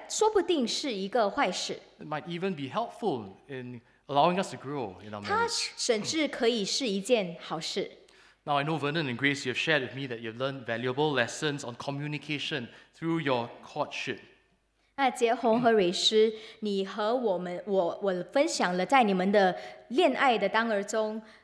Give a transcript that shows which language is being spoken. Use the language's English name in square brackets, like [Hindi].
[Chinese] 如果我们在解决冲突的当儿中，加强了婚姻的关系，加强家庭的关系，那祷告，那吵架说不定是一个坏事。 [English] It might even be helpful in allowing us to grow in our marriage. [Chinese] 它甚至可以是一件好事。 [English] Now I know Vernon and Grace, you have shared with me that you've learned valuable lessons on communication through your courtship. [Chinese] 那杰宏和蕊诗，你和我们，我分享了在你们的恋爱的当儿中，